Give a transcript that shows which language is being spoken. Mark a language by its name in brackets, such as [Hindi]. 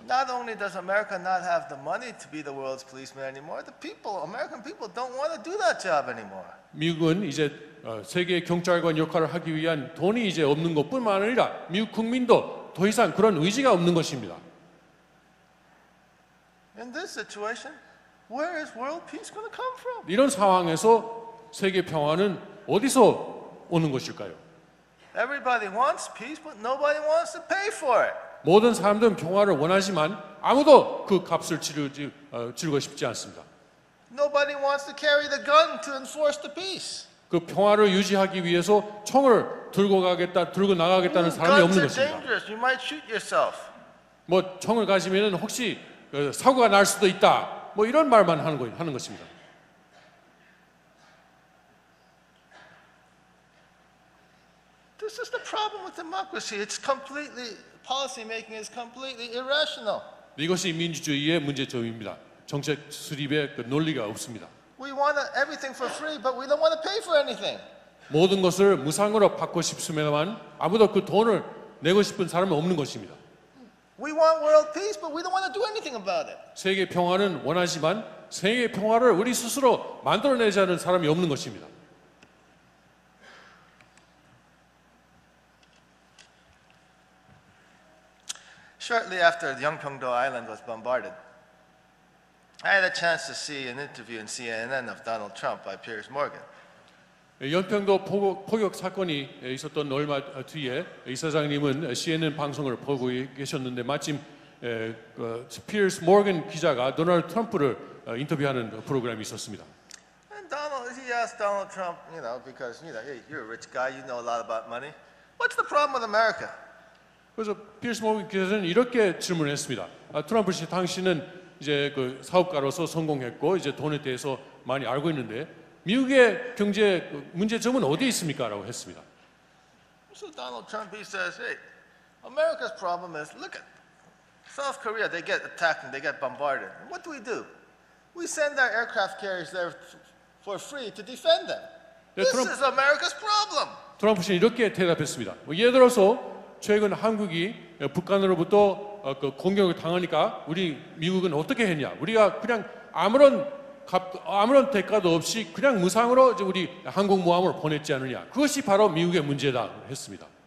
[English] Not only does America not have the money to be the world's policeman anymore, the people, American people don't want to do that job anymore. [Korean] 미국은 이제 세계 경찰관 역할을 하기 위한 돈이 이제 없는 것뿐만 아니라 미국 국민도 더 이상 그런 의지가 없는 것입니다. [English] In this situation, where is world peace going to come from? [Korean] 이런 상황에서 세계 평화는 어디서 오는 것일까요? [English] Everybody wants peace, but nobody wants to pay for it. [Korean] 모든 사람들은 평화를 원하지만 아무도 그 값을 치르고 싶지 않습니다. [English] Nobody wants to carry the gun to enforce the peace. [Korean] 그 평화를 유지하기 위해서 총을 들고 나가겠다는 사람이 없는 것입니다. [English] You might shoot yourself. [Korean] 뭐 총을 가지면은 혹시 사고가 날 수도 있다. 뭐 이런 말만 하는 것입니다. [English] This is the problem with democracy. It's completely policy making is completely irrational. [Korean] 이것이 민주주의의 문제점입니다. 정책 수립의 그 논리가 없습니다. [English] We want everything for free, but we don't want to pay for anything. [Korean] 모든 것을 무상으로 받고 싶으면 아무도 그 돈을 내고 싶은 사람은 없는 것입니다. [English] We want world peace, but we don't want to do anything about it. [Korean] 세계 평화는 원하지만 세계 평화를 우리 스스로 만들어내지 않은 사람이 없는 것입니다. [English] Shortly after the Yeongpyeongdo Island was bombarded, I had a chance to see an interview in CNN of Donald Trump by Piers Morgan. [Korean] 연평도 포격 사건이 있었던 얼마 뒤에 이사장님은 CNN 방송을 보고 계셨는데 마침 피어스 모건 기자가 도널드 트럼프를 인터뷰하는 프로그램이 있었습니다. [English] And Donald, he asked Donald Trump, you know, because you know, hey, you're a rich guy, you know a lot about money. What's the problem with America? [Korean] 그래서 피어스 모건 기자는 이렇게 질문을 했습니다. 트럼프 씨, 당신은 이제 그 사업가로서 성공했고 이제 돈에 대해서 많이 알고 있는데 미국의 경제 문제점은 어디 있습니까라고 했습니다. [English] So Donald Trump he says, "Hey, America's problem is look at South Korea, they get attacked and they get bombarded. What do we do? We send our aircraft carriers there for free to defend them. This 트럼프, is America's problem. [Korean] 트럼프 씨는 이렇게 대답했습니다. 뭐 예를 들어서 최근 한국이 북한으로부터 그 공격을 당하니까 우리 미국은 어떻게 했냐? 우리가 그냥 아무런 대가도 없이 그냥 무상으로 이제 우리 한국 무함을 보냈지 않느냐? 그것이 바로 미국의 문제다 했습니다.